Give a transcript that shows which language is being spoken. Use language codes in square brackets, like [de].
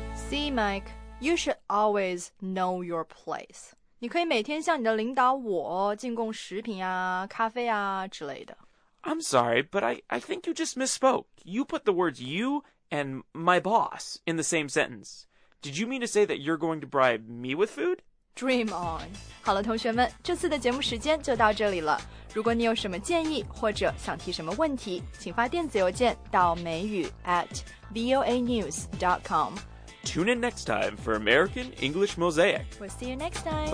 [en] See, Mike, you should always know your place. [zh] 你可以每天向你的领导我进贡食品啊、咖啡啊之类的。 [en] I'm sorry, but I think you just misspoke. You put the words you and my boss in the same sentence. Did you mean to say that you're going to bribe me with food? Dream on. [zh] 好了，同学们，这次的节目时间就到这里了。如果你有什么建议或者想提什么问题，请发电子邮件到美语@voanews.com. [en] Tune in next time for American English Mosaic. We'll see you next time.